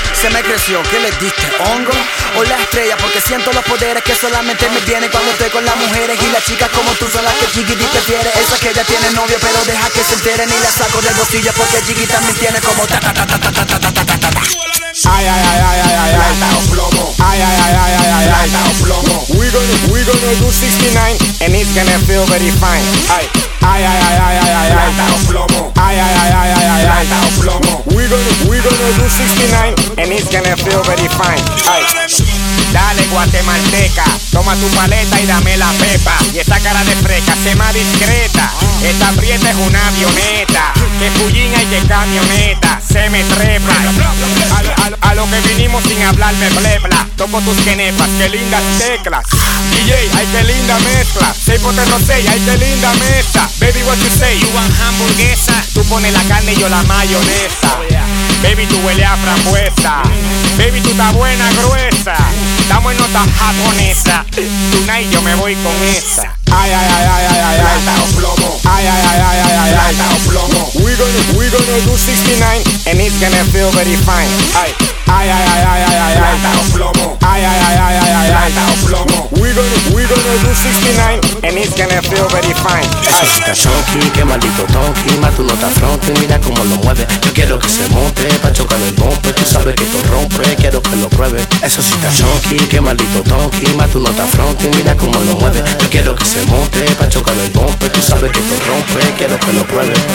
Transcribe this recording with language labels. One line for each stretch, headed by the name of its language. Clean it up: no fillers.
Spanish: Se me creció, ¿qué le diste? ¿Hongo? O la estrella, porque siento los poderes que solamente me tienen cuando estoy con las mujeres. Y las chicas como tú son las que Jiggy prefiere. Esa que ya tiene novio, pero deja que se enteren y la saco del bolsillo porque Jiggy también tiene como ta ta ta ta ta ta ta ta ta ta ta ta. Ay, ay, ay, ay, ay, ay, ay, plomo. Ay, ay, ay, ay, ay, ay, ay, ay, plomo.
English: We gonna do 69 and it's gonna feel very fine. Ay, ay, ay, ay, ay, ay, ay, ay,
Spanish: plomo. Ay, ay, ay, ay, ay, ay, ay, plomo.
English: We gonna do 69 and it's gonna feel very fine. Ay.
Spanish: Dale, guatemalteca, toma tu paleta y dame la pepa. Y esta cara de fresca, sé más discreta. Esta prieta es una avioneta. Que fullina y que camioneta, se me trepa. A lo que vinimos sin hablarme blebla. Toco tus genepas, qué lindas teclas. DJ, ay, qué linda mezcla. 6x6, ay, qué linda mesa.
English: Baby, what you say? You want hamburguesa.
Spanish: Tú pones la carne y yo la mayonesa. Baby, tú huele a frambuesa. Baby, tú estás buena, gruesa. Estamos en nota japonesa. Tonight yo me voy con esa. Ay, ay, ay, ay, ay, ay, ay. Lata o plomo. Ay, ay, ay, ay, ay, ay, ay. Lata o plomo.
English: We gonna do 69 and it's gonna feel very fine. Ay, ay, ay, ay, ay, ay, ay.
Spanish: Lata o plomo. Ay, ay, ay, ay, ay, ay, ay. Lata o plomo.
English: We gonna do 69 and it's gonna feel very fine.
Spanish: Eso sí está chonky, qué maldito tonky. Más tú no estás fronte, mira cómo lo mueve. Yo quiero que se monte pa' chocar el bombe. Tú sabes que esto rompe, quiero que lo pruebe. Eso sí está chonky, qué maldito tonky. Más tú no estás fronte, mira cómo lo mueve. Yo quiero que se monte pa' chocar el bombe. Tú sabes que esto rompe, quiero que lo pruebe.